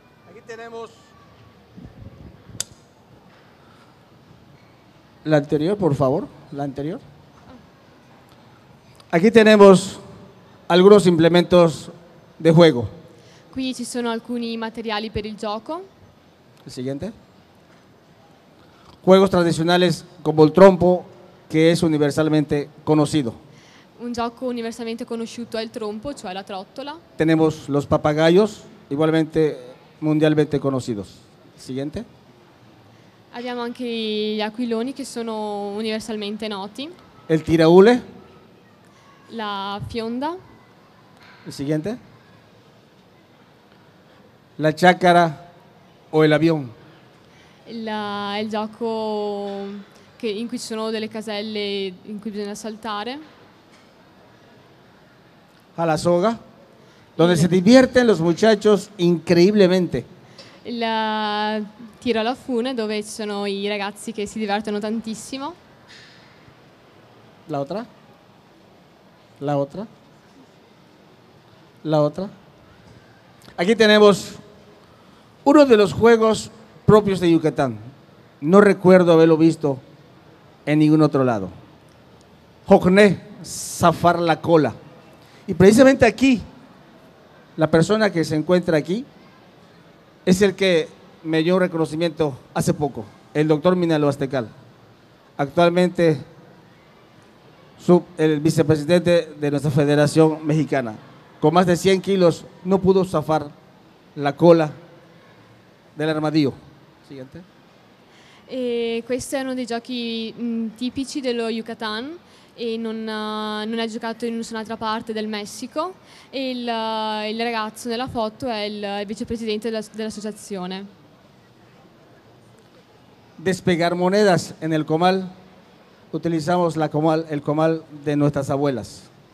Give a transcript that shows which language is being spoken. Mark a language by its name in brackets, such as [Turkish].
[Spanish] Aquí tenemos la anterior, por favor, la anterior. Aquí tenemos algunos implementos de juego. [Italian] Qui ci sono alcuni materiali per il gioco. [Spanish] El siguiente. Juegos tradicionales como el trompo, que es universalmente conocido. [Italian] Un gioco universalmente conosciuto è il trompo, cioè la trottola. [Spanish] Tenemos los papagayos, igualmente mundialmente conocidos. Siguiente. [Italian] Abbiamo anche gli aquiloni che sono universalmente noti. [Spanish] El tiraule. La fionda. El siguiente. La chácara o el avión. [Italian] Il gioco in cui ci sono delle caselle in cui bisogna saltare. [Spanish] A la soga, donde se divierten los muchachos increíblemente. Il tiro alla fune, dove ci sono i ragazzi che si divertono tantissimo. La otra. La otra. La otra. Aquí tenemos uno de los juegos propios de Yucatán. No recuerdo haberlo visto en ningún otro lado. Jocné, zafar la cola. Y precisamente aquí, la persona que se encuentra aquí es el que me dio un reconocimiento hace poco, el doctor Minalo Aztecal, actualmente el vicepresidente de nuestra Federación Mexicana. Con más de 100 kilos no pudo zafar la cola del armadillo. Siguiente. [Italian] Questo è uno dei giochi tipici dello Yucatán e non è giocato in nessun'altra parte del Messico. Il ragazzo nella foto è il vicepresidente dell'associazione. [Spanish] Despegar monedas en el comal. Utilizamos el comal de nuestras abuelas.